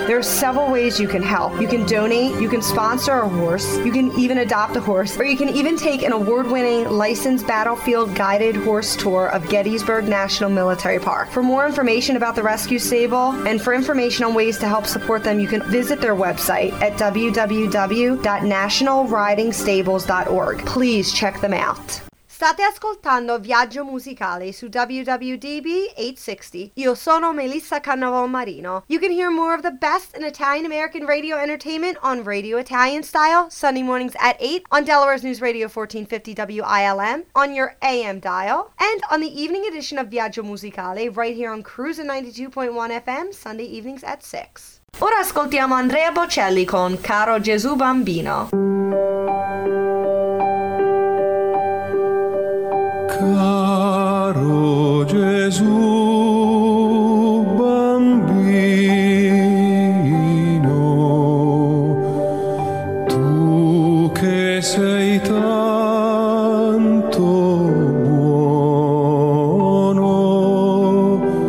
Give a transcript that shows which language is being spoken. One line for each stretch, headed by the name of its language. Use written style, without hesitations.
English: There are several ways you can help. You can donate, you can sponsor a horse, you can even adopt a horse, or you can even take an award-winning licensed battlefield guided horse tour of Gettysburg National Military Park. For more information about the rescue stable and for information on ways to help support them, you can visit their website at www.nationalridingstables.com. Please check them out.
Italian: State ascoltando Viaggio Musicale su WWDB 860. Io sono Melissa Cannavo-Marino.
English: You can hear more of the best in Italian-American radio entertainment on Radio Italian Style, Sunday mornings at 8 on Delaware's News Radio 1450 WILM, on your AM dial, and on the evening edition of Viaggio Musicale right here on Cruisin' 92.1 FM, Sunday evenings at 6.
Italian: Ora ascoltiamo Andrea Bocelli con Caro Gesù Bambino. Caro Gesù bambino, tu che sei tanto buono,